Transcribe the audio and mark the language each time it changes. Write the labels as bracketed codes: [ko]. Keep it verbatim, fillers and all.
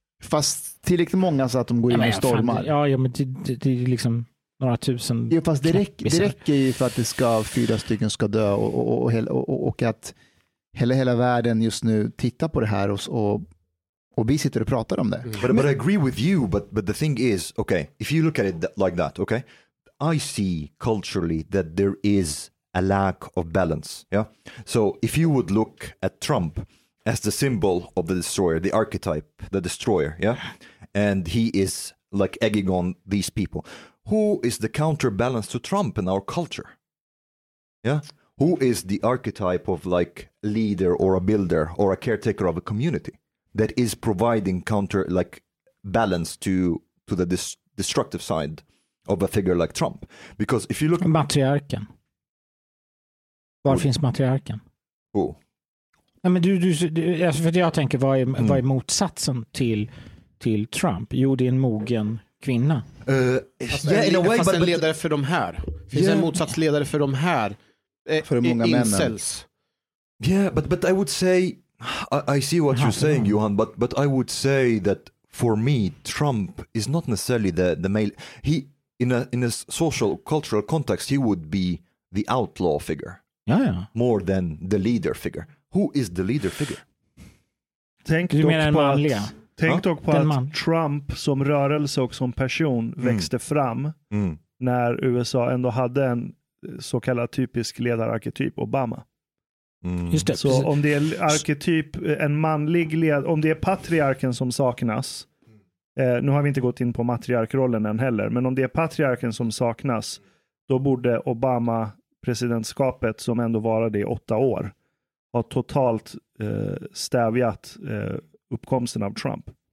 [sv] Fast tillräckligt många så att de går in ja, och stormar. Fan, ja, ja, men det, det, det är liksom några tusen. Ja, fast det, räck, det räcker ju för att det ska, fyra stycken ska dö och, och, och, och, och att hela, hela världen just nu tittar på det här och, och, och vi sitter och pratar om det. Mm. [en] But, but I agree with you, but, but the thing is, okay, if you look at it like that, okay, I see culturally that there is a lack of balance. Yeah? So if you would look at Trump as the symbol of the destroyer, the archetype, the destroyer, yeah? And he is like egging on these people. Who is the counterbalance to Trump in our culture? Yeah? Who is the archetype of like leader or a builder or a caretaker of a community that is providing counter, like balance to, to the dis- destructive side of a figure like Trump? Because if you look... [sv] Matriarken. Var finns matriarken? [en] Who? [sv] Ja, men du, du, du, alltså för jag tänker, vad är, mm. vad är motsatsen till, till Trump? Jo, det är en mogen kvinna. Uh, alltså, yeah, en, [en] in a way, [sv] fast but, en ledare but, för de här. Finns yeah. en motsatsledare för de här? För de många männen. [en] Yeah, but, but I would say, I, I see what Aha, you're saying, Johan, but, but I would say that for me, Trump is not necessarily the, the male. He, in a, in a social, cultural context, he would be the outlaw figure. [sv] Ja, ja. [en] More than the leader figure. Who is the leader figure? [sv] Tänk du menar den manliga? Tänk dock på den att man. Trump som rörelse och som person mm. växte fram mm. när U S A ändå hade en så kallad typisk ledararketyp, Obama. Mm. Just det, så precis. Om det är arketyp, en manlig led, om det är patriarken som saknas, eh, nu har vi inte gått in på matriarkrollen än heller, men om det är patriarken som saknas, då borde Obama-presidentskapet, som ändå varade i åtta år, har totalt eh, stävjat eh, uppkomsten av Trump.